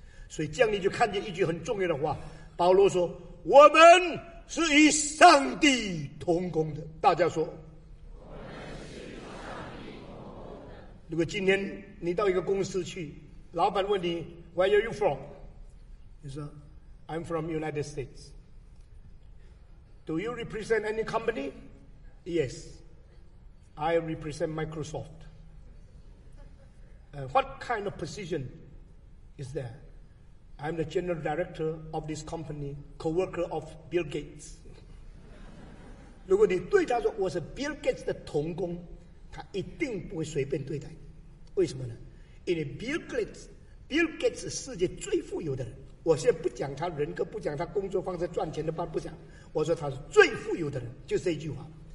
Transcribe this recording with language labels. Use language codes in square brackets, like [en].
[zh] 所以这样你就看见一句很重要的话，保罗说，我们是与上帝同工的。大家说，我们是与上帝同工如果今天你到一个公司去，老板问你 [en] Where are you from? [zh] 你说 [en] I'm from United States. Do you represent any company? Yes. I represent Microsoft. What kind of position is there? I'm the general director of this company, co-worker of Bill Gates. [zh] 如果你对他说我是 Bill Gates 的同工，他一定不会随便对待。为什么呢？因为 Bill Gates 是世界最富有的人。我现在不讲他人格，不讲他工作方式赚钱的办法，不讲，我说他是最富有的人，就是这一句话。